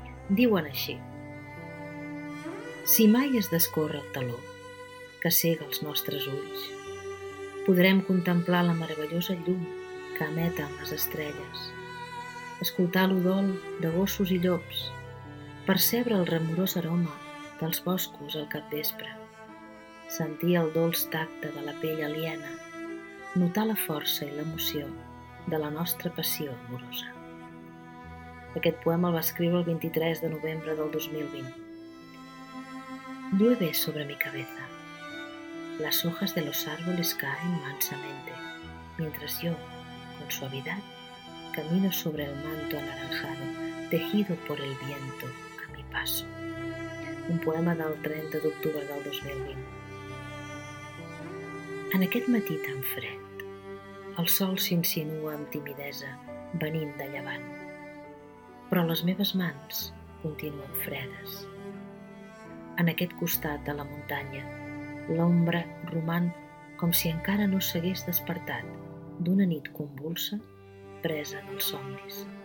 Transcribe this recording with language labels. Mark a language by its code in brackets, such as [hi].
[ca] Diuen així: si mai es descorre el taló que cega els nostres ulls, podrem contemplar la meravellosa llum que emeten les estrelles, escoltar l'udol de gossos i llops, percebre el remorós aroma dels boscos al capvespre, sentir el dolç tacte de la pell aliena, notar la força i l'emoció de la nostra passió amorosa. Aquest poema el va escriure el 23 de novembre del 2020. [es] Llueve sobre mi cabeza. Las hojas de los árboles caen mansamente, mientras yo, con suavidad, camino sobre el manto anaranjado, tejido por el viento a mi paso. [ca] Un poema del 30 d'octubre del 2020. En aquest matí tan fred, el sol s'insinua amb timidesa, venint de llevant. Però les meves mans continuen fredes. En aquest costat de la muntanya, l'ombra roman com si encara no s'hagués despertat d'una nit convulsa presa en els somnis.